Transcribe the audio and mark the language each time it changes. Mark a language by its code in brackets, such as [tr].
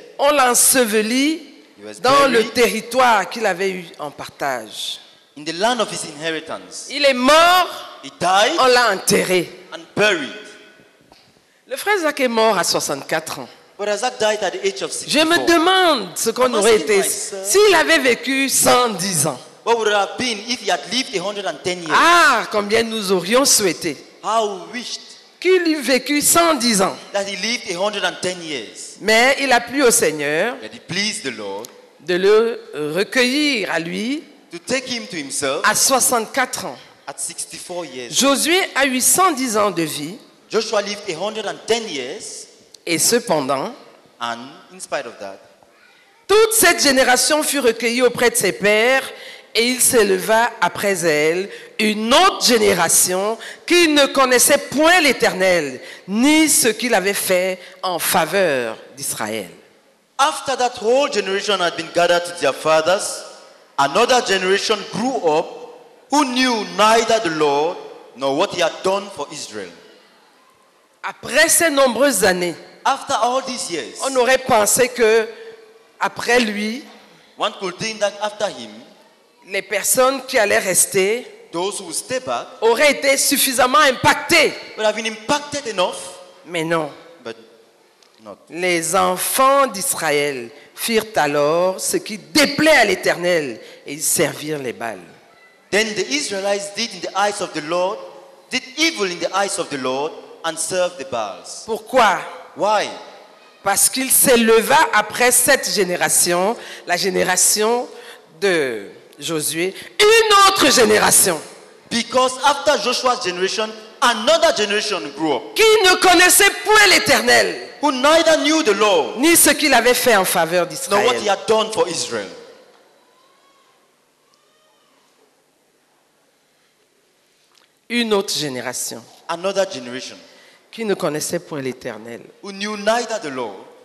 [fr] on l'ensevelit dans le territoire qu'il avait eu en partage. [en] In the land of his inheritance. [fr] Il est mort, [en] he died, [fr] on l'a enterré. [en] And buried. [fr] Le frère Zach est mort à 64 ans. [en] But Zach died at the age of 64. [fr] Je me demande ce qu'on aurait été s'il avait vécu 110 ans. [en] What would it have been if he had lived 110 years? [fr] Ah, combien nous aurions souhaité. [en] How wished [fr] qu'il eût vécu 110 ans. [en] That he lived 110 years. [fr] Mais il a plu au Seigneur. [en] That he pleased the Lord. [fr] De le recueillir à lui. [en] To take him to himself. [fr] À 64 ans. [en] At 64 years. [fr] Josué a eu 110 ans de vie. [en] Joshua lived 110 years. [fr] Et cependant. [en] And in spite of that. [fr] Toute cette génération fut recueillie auprès de ses pères Et il s'éleva après elle une autre génération qui ne connaissait point l'Éternel, ni ce qu'il avait fait en faveur d'Israël. [en] After that whole generation had been gathered to their fathers, another generation grew up who knew neither the Lord nor what he had done for Israel. [fr] Après ces nombreuses années, [en] after all these years, [fr] on aurait pensé que après lui, [en] one could think that after him, [fr] les personnes qui allaient rester, [en] those who stay back, [fr] auraient été suffisamment impactées. [en] Would have been impacted enough, [fr] mais non. [en] But not. [fr] Les enfants d'Israël firent alors ce qui déplaît à l'Éternel et ils servirent les Baals. [en] Then the Israelites did in the eyes of the Lord, did evil in the eyes of the Lord and served the Baals. [fr] Pourquoi? [en] Why? [fr] Parce qu'il s'éleva après cette génération, la génération de Josué, une autre génération. [en] Because after Joshua's generation, another generation grew up. [fr] Qui ne connaissait point l'Éternel. [en] Who neither knew the Lord. [fr] Ni ce qu'il avait fait en faveur d'Israël. [en] Nor what he had done for Israel. [fr] Une autre génération. [en] Another generation. [fr] Qui ne connaissait point l'Éternel. [en] Who knew neither the Lord.